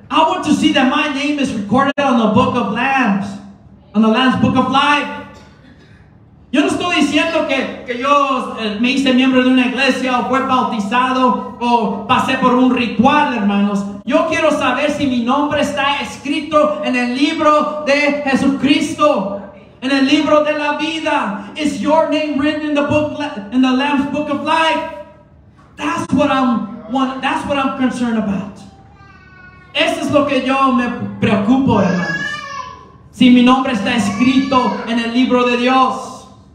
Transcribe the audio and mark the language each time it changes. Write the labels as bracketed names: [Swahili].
[English] I want to see that my name is recorded on the book of Lamb's, on the Lamb's book of life. [Spanish] Yo no estoy diciendo que yo me hice miembro de una iglesia o fue bautizado o pasé por un ritual, hermanos. Yo quiero saber si mi nombre está escrito en el libro de Jesucristo. En el libro de la vida, [English] is your name written in the book, in the Lamb's book of life? That's what I'm wanting, that's what I'm concerned about. [Spanish] Eso es lo que yo me preocupo, hermanos. Si mi nombre está escrito en el libro de Dios.